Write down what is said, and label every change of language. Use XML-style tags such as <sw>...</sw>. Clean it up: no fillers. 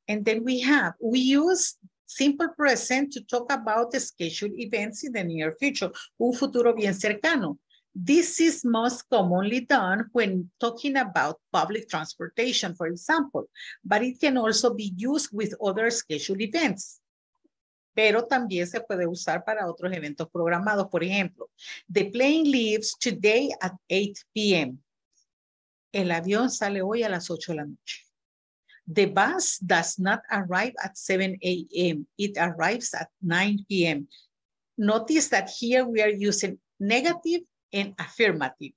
<en>And then we use simple present to talk about the scheduled events in the near future.</en> <es>Un futuro bien cercano.</es> <en>This is most commonly done when talking about public transportation, for example, but it can also be used with other scheduled events.</en> <es>Pero también se puede usar para otros eventos programados. Por ejemplo,</es> <en>the plane leaves today at 8 p.m.</en> <es>El avión sale hoy a las 8 de la noche.</es> <en>The bus does not arrive at 7 a.m. It arrives at 9 p.m. Notice that here we are using negative and affirmative.</en>